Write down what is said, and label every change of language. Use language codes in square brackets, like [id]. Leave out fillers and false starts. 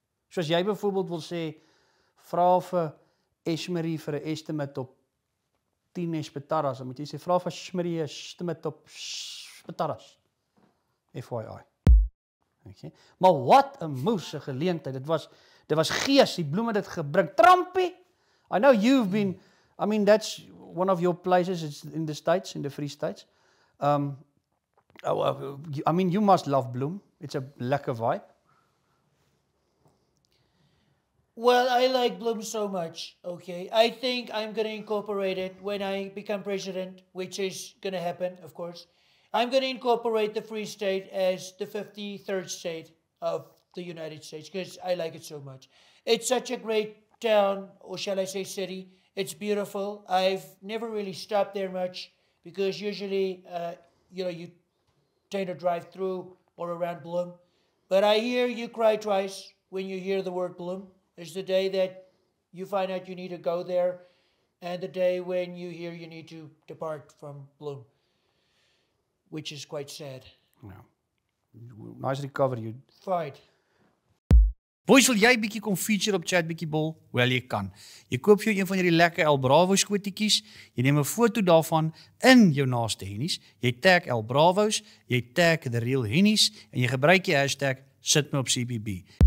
[af] So as jy byvoorbeeld wil sê, vra vir Esmerie vir 'n estimate op 10 espetaras, dan moet jy sê, vra vir Esmerie 'n estimate op spetaras. FYI. Okay. Maar wat 'n moerse geleentheid, dit was gees, die bloeme dit gebring. [en] Trampie, I know you've been, I mean that's one of your places, it's in the States, in the Free States. I mean, you must love Bloem. It's a lekker vibe. Well, I like Bloem so much, okay? I think I'm going to incorporate it when I become president, which is going to happen, of course. I'm going to incorporate the Free State as the 53rd state of the United States because I like it so much. It's such a great town, or shall I say city. It's beautiful. I've never really stopped there much. Because usually, you tend to drive through or around Bloem. But I hear you cry twice when you hear the word Bloem. It's the day that you find out you need to go there and the day when you hear you need to depart from Bloem, which is quite sad. Yeah. Nice recovery. You fight. [af] Boys, wil jy bietjie kom feature op Chat bietjie bol? Wel, jy kan. Jy koop vir jou een van hierdie lekker El Bravo skootietjies, jy neem 'n foto daarvan in jou naaste Hennies, jy tag El Bravos, jy tag The Real Hennies, en jy gebruik die hashtag sit my op CBB.